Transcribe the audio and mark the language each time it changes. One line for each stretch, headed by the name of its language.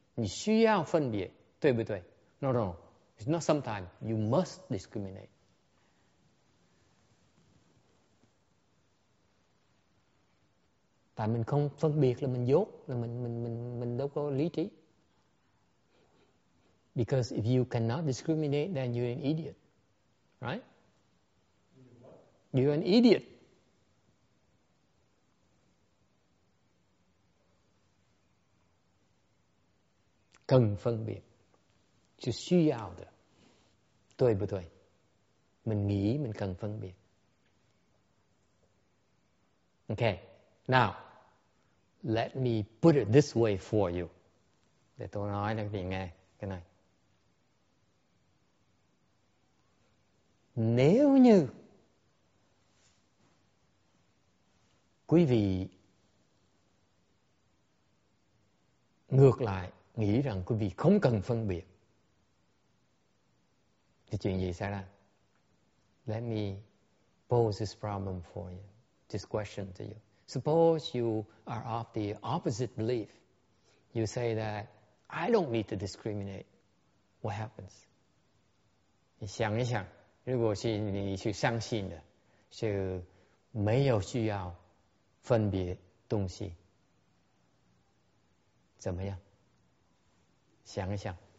Chinese: 你需要分别，对不对？
English: No. It's not sometimes. You must discriminate.
Vietnamese: Tại mình không phân biệt là mình dốt, là mình đâu có lý trí.
English: Because if you cannot discriminate, then you're an idiot, right? You're an idiot.
Vietnamese: Cần phân biệt, chứ suy yếu đó. Tôi bất tuổi, mình nghĩ mình cần phân biệt.
English: Okay, now let me put it this way for you.
Vietnamese: Để tôi nói cho quý vị nghe cái này. Nếu như quý vị ngược lại nghĩ rằng quý vị không cần phân biệt thì chuyện gì xảy ra?
English: Let me pose this problem for you, this question to you. Suppose you are of the opposite belief. You say that I don't need to discriminate. What happens?
Chinese: 你想一想 如果是你去相信的，是没有需要分别东西，怎么样？想一想。